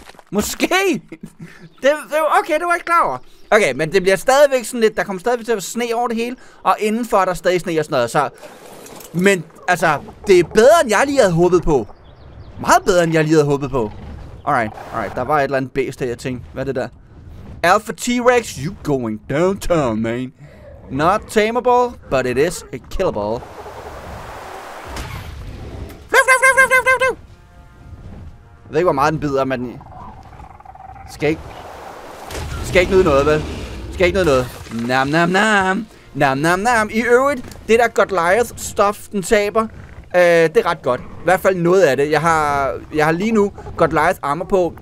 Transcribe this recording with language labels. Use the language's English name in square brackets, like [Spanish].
[Danish] Måske. Det var okay, det var ikke klar over. Okay, men det bliver stadigvæk sådan lidt. Der kommer stadigvæk til at være sne over det hele. Og indenfor er der stadig sne og sådan noget. Så, men altså, det er bedre end jeg lige havde håbet på. Meget bedre end jeg lige havde håbet på. Alright. Der var et eller andet bæst her, jeg tænkte. Hvad er det der? [English] Alpha T-Rex, you going downtown, man. Not tameable, but it is a killable. Flew. [Danish] Jeg ved ikke, hvor meget den bider, men... Skal ikke nyde noget, vel? Skal ikke nyde noget. Nam, nam, nam. Nam, nam, nam. I øvrigt, det der Godliath-stof, den taber, det er ret godt. I hvert fald noget af det. Jeg har lige nu Godliath-armor på.